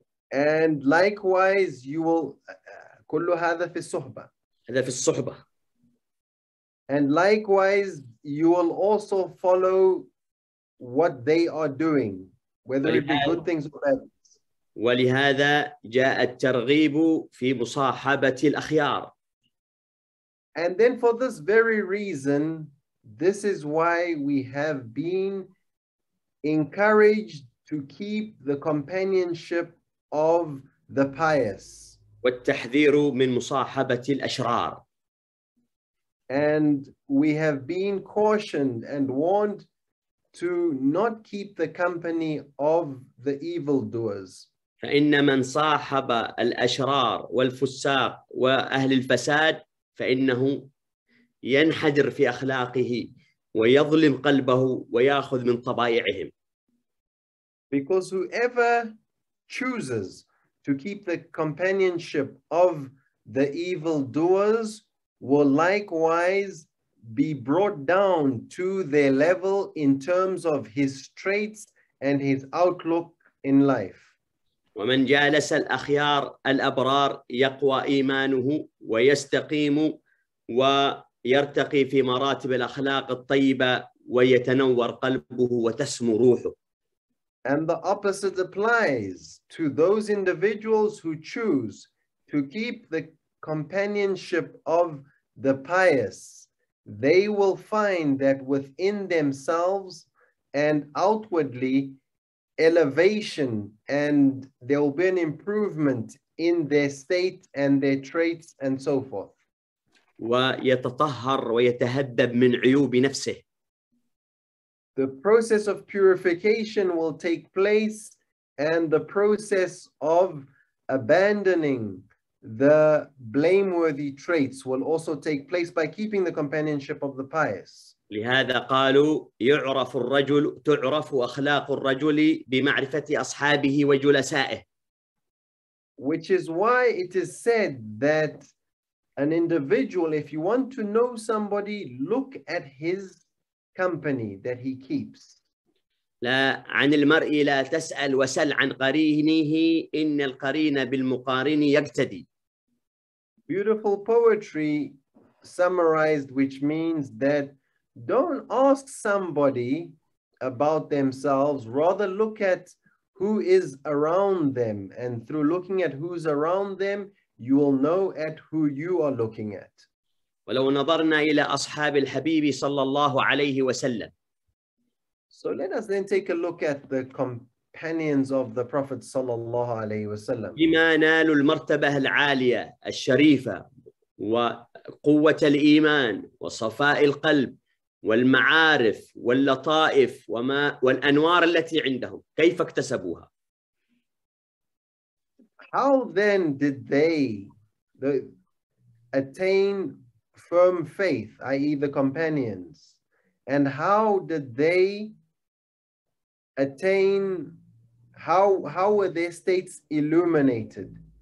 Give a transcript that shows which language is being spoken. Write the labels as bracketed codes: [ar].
[en] And likewise, you will... [ar] كل هذا في الصحبة. هذا في الصحبة. [en] And likewise, you will also follow what they are doing. Whether it be good things or bad things. [ar] ولهذا جاء الترغيب في مصاحبة الأخيار. [en] And then for this very reason, this is why we have been encouraged to keep the companionship of the pious. [ar] والتحذير من مصاحبة الأشرار. [en] And we have been cautioned and warned to not keep the company of the evildoers. [ar] فإن من صاحب الأشرار والفساق وأهل الفساد فإنه ينحدر في أخلاقه ويظلم قلبه ويأخذ من طبائعهم. [en] Because whoever chooses to keep the companionship of the evildoers will likewise be brought down to their level in terms of his traits and his outlook in life. [ar] ومن جالس الأخيار الأبرار يقوى إيمانه ويستقيم ويرتقي في مراتب الأخلاق الطيبة ويتنور قلبه وتسمو روحه. [en] And the opposite applies to those individuals who choose to keep the companionship of the pious. they will find that within themselves and outwardly elevation, and there will be an improvement in their state and their traits and so forth. [ar] ويتطهر ويتهذب من عيوب نفسه. [en] The process of purification will take place, and the process of abandoning the blameworthy traits will also take place by keeping the companionship of the pious. [ar] لهذا قالوا يعرف الرجل تعرف أخلاق الرجل بمعرفة أصحابه وجلسائه. [en] Which is why it is said that an individual, if you want to know somebody, look at his company that he keeps. [ar] لا عن المرء لا تسأل وسل عن قرينه إن القرين بالمقارن يقتدي. [en] Beautiful poetry summarized, which means that don't ask somebody about themselves, rather look at who is around them, and through looking at who's around them, you will know at who you are looking at. [ar] ولو نظرنا إلى أصحاب الحبيب صلى الله عليه وسلم. [en] So let us then take a look at the companions of the Prophet [ar] صلى الله عليه وسلم. بما نالوا المرتبة العالية الشريفة وقوة الإيمان وصفاء القلب والمعارف واللطائف وما والأنوار التي عندهم كيف اكتسبوها؟ [en] How then did they attain firm faith, i.e. the companions, and how did they attain, how were their states illuminated?